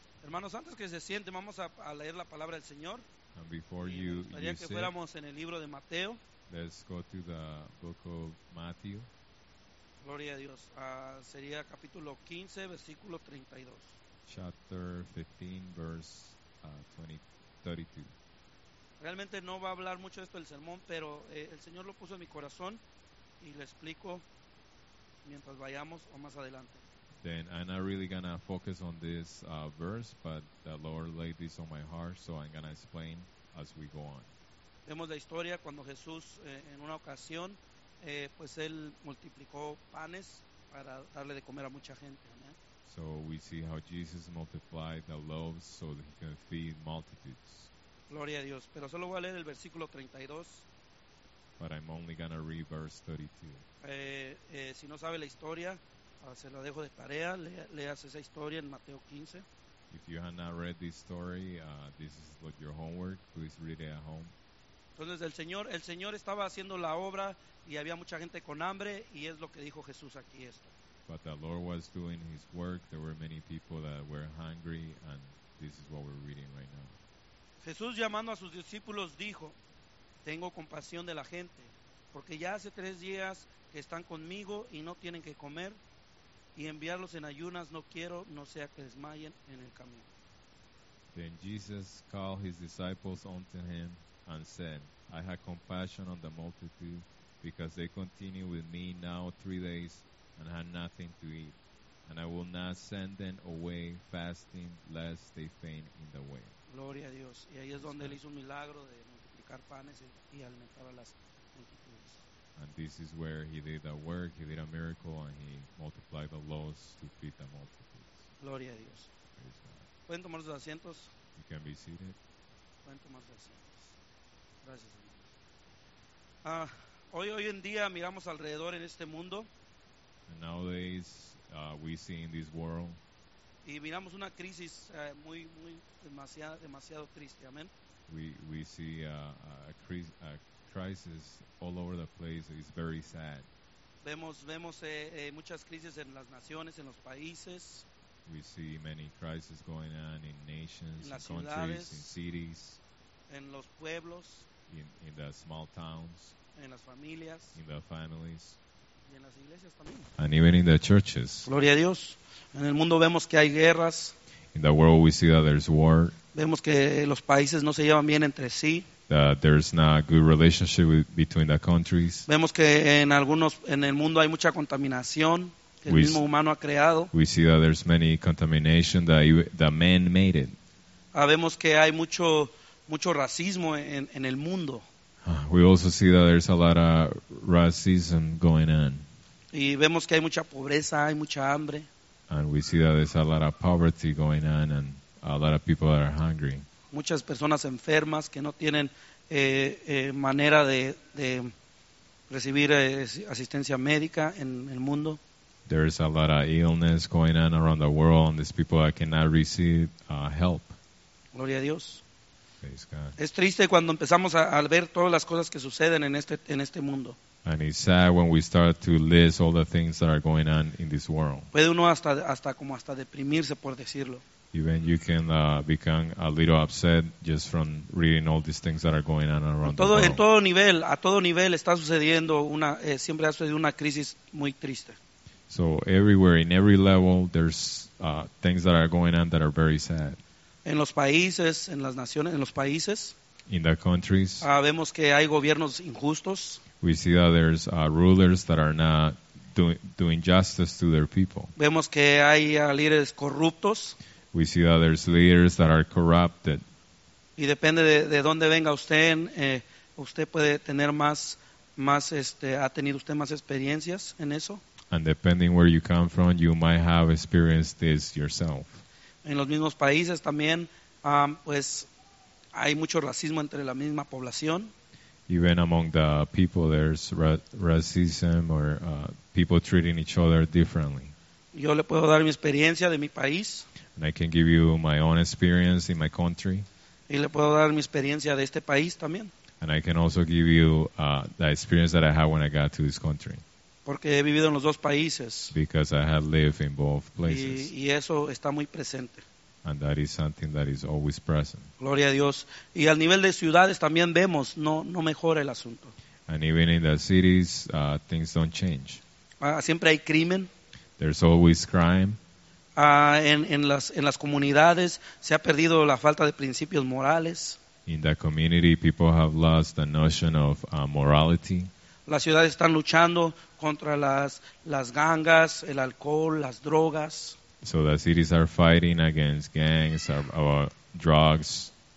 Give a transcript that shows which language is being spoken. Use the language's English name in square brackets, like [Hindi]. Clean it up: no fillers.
[Spanish] Hermanos, antes que se siente, vamos a leer la palabra del Señor. [English] And before you [Spanish] gustaría que fuéramos en el libro de Mateo. [English] Let's go to the book of Matthew. [Spanish] Gloria a Dios. Sería capítulo 15, versículo 32. [English] Chapter 15, verse 32. [Spanish] Realmente no va a hablar mucho esto del sermón, pero el Señor lo puso en mi corazón y le explico mientras vayamos o más adelante. [English] Then I'm not really going to focus on this verse, but the Lord laid this on my heart, so I'm going to explain as we go on. [Spanish] Vemos la historia cuando Jesús, en una ocasión, pues Él multiplicó panes para darle de comer a mucha gente. Amen. [English] So we see how Jesus multiplied the loaves so that He can feed multitudes. [Spanish] Gloria a Dios. Pero solo voy a leer el versículo 32. [English] But I'm only going to read verse 32. [Spanish] Si no sabe la historia, se lo dejo de tarea, leas esa historia en Mateo 15. [English] If you have not read this story, this is what your homework, please read it at home. [Spanish] Entonces el Señor estaba haciendo la obra y había mucha gente con hambre y es lo que dijo Jesús aquí esto. [English] But the Lord was doing his work, there were many people that were hungry and this is what we're reading right now. [Spanish] Jesús llamando a sus discípulos dijo, tengo compasión de la gente, porque ya hace 3 días que están conmigo y no tienen que comer. Y enviarlos en ayunas no quiero, no sea que desmayen en el camino. [English] Then Jesus called his disciples unto him and said, I have compassion on the multitude, because they continue with me now 3 days and have nothing to eat. And I will not send them away fasting, lest they faint in the way. [Spanish] Gloria a Dios. Y ahí es donde Él hizo un milagro de multiplicar panes y alimentar a las multitudes. [English] And this is where he did the work, he did a miracle, and he multiplied the loaves to feed the multitudes. [Spanish] Gloria a Dios. [English] Praise God. [Spanish] ¿Pueden tomar sus asientos? [English] You can be seated. [Spanish] ¿Pueden tomar sus asientos? Gracias, Señor. Hoy en día miramos alrededor en este mundo. [English] And nowadays, we see in this world. [Spanish] Y miramos una crisis muy, muy, demasiado, demasiado triste, amén. [English] We see a crisis all over the place is very sad. [Spanish] Vemos muchas crisis en las naciones, en los países. [English] We see many crises going on in nations, [Spanish] en las [English] in [Spanish] ciudades, [English] countries, in cities, [Spanish] en los pueblos, [English] in the small towns, [Spanish] en las familias, [English] in the families. [Spanish] Y [English] And even in the churches. [Spanish] Gloria a Dios. En el mundo vemos que hay guerras. [English] In the world we see that there's war. [Spanish] Vemos que los países no se llevan bien entre sí. [English] That there's not a good relationship with, between the countries. [Spanish] Vemos que en algunos, en el mundo hay mucha contaminación que el mismo humano ha creado. [English] We see that there's many contamination that the man made it. [Spanish] Vemos que hay mucho racismo en el mundo. [English] We also see that there's a lot of racism going on. [Spanish] Y vemos que hay mucha pobreza, hay mucha hambre. [English] And we see that there's a lot of poverty going on and a lot of people that are hungry. [Spanish] Muchas personas enfermas que no tienen manera de recibir asistencia médica en el mundo. [English] There is a lot of illness going on around the world and these people that cannot receive help. [Spanish] Gloria a Dios. [English] Praise God. [Spanish] Es triste cuando empezamos a ver todas las cosas que suceden en este mundo. [English] And it's sad when we start to list all the things that are going on in this world. [Spanish] Puede uno hasta deprimirse por decirlo. [English] Even you can become a little upset just from reading all these things that are going on around [Spanish] todo, [English] the world. [Spanish] En todo nivel, a todo nivel está sucediendo una siempre ha sucedido una crisis muy triste. [English] So everywhere, in every level, there's things that are going on that are very sad. [Spanish] En los países, en las naciones, en los países. [English] In the countries. [Spanish] Vemos que hay gobiernos injustos. [English] We see that there's rulers that are not doing justice to their people. [Spanish] Vemos que hay líderes corruptos. [English] We see that there's leaders that are corrupted. [Spanish] Y depende de dónde venga usted, usted puede tener ha tenido usted más experiencias en eso. [English] And depending where you come from, you might have experienced this yourself. [Spanish] En los mismos países también, pues hay mucho racismo entre la misma población. [English] Even among the people, there's racism or people treating each other differently. [Spanish] Yo le puedo dar mi experiencia de mi país. [English] And I can give you my own experience in my country. [Spanish] Y le puedo dar mi experiencia de este país también. [English] And I can also give you the experience that I had when I got to this country. [Spanish] Porque he vivido en los dos países. [English] Because I have lived in both places. [Spanish] Y eso está muy presente. [English] And that is something that is always present. [Spanish] Gloria a Dios. Y al nivel de ciudades también vemos, no mejora el asunto. [English] And even in the cities, things don't change. [Spanish] Siempre hay crimen. [English] There's always crime. [Spanish] En las comunidades se ha perdido la falta de principios morales. [English] In the community, people have lost the notion of morality. [Spanish] Las ciudades están luchando contra las gangas, el alcohol, las drogas. [English] So the cities are fighting against gangs, drugs.